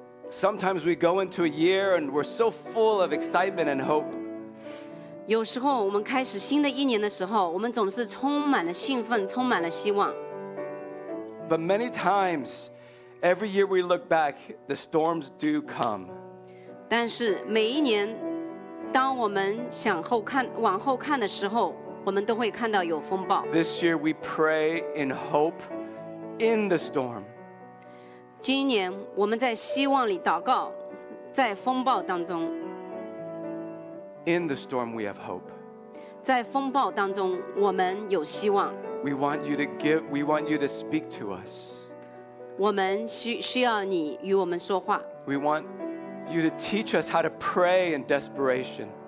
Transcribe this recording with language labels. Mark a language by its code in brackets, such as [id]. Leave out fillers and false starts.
[en] Sometimes we go into a year and we're so full of excitement and hope. [zh] 有时候我们开始新的一年的时候，我们总是充满了兴奋，充满了希望。 [en] But many times, every year we look back, the storms do come. [zh] 但是每一年，当我们想后看，往后看的时候，我们都会看到有风暴。 [en] This year we pray in hope in the storm. [zh] 今年我们在希望里祷告，在风暴当中。 [en] In the storm we have hope. [zh] 在风暴当中我们有希望。 [en] We want you to give, we want you to speak to us. [zh] 我们需要你与我们说话。 [en] We want you to teach us how to pray in desperation.